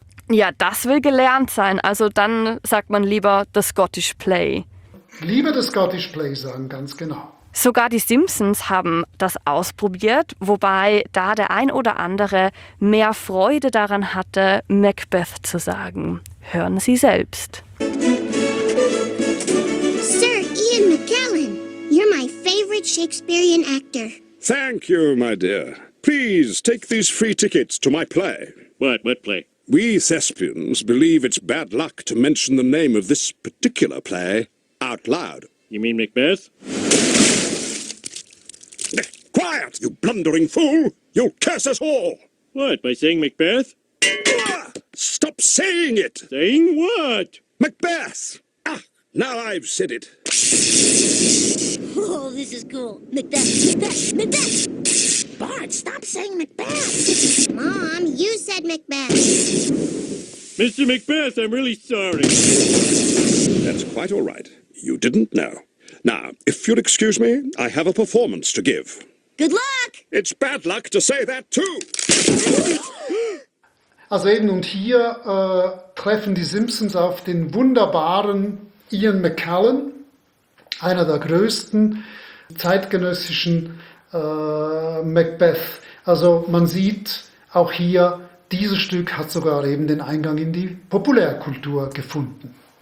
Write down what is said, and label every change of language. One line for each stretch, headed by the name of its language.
German: Ja, das will gelernt sein. Also dann sagt man lieber das Scottish Play. Lieber das Scottish Play sagen, ganz genau. Sogar die Simpsons haben das ausprobiert, wobei da der ein oder andere mehr Freude daran hatte, Macbeth zu sagen. Hören Sie selbst.
English: Sir Ian McKellen, you're my favorite Shakespearean actor. Thank you, my dear. Please take these free tickets to my play. What play? We thespians believe it's bad luck to mention the name of this particular play out loud. You mean Macbeth? Quiet, you blundering fool! You'll curse us all! What, by saying Macbeth? Stop saying it! Saying what? Macbeth! Ah, now I've said it. Oh, this is cool. Macbeth! Bart, stop saying Macbeth! Mom, you said Macbeth! Mr. Macbeth, I'm really sorry. That's quite all right. You didn't know. Now, if you'll excuse me, I have a performance to give. Good luck! It's bad luck to say that too!
German: Also eben, und hier treffen die Simpsons auf den wunderbaren Ian McKellen, einer der größten zeitgenössischen Macbeth. Also man sieht auch hier, dieses Stück hat sogar eben den Eingang in die Populärkultur gefunden.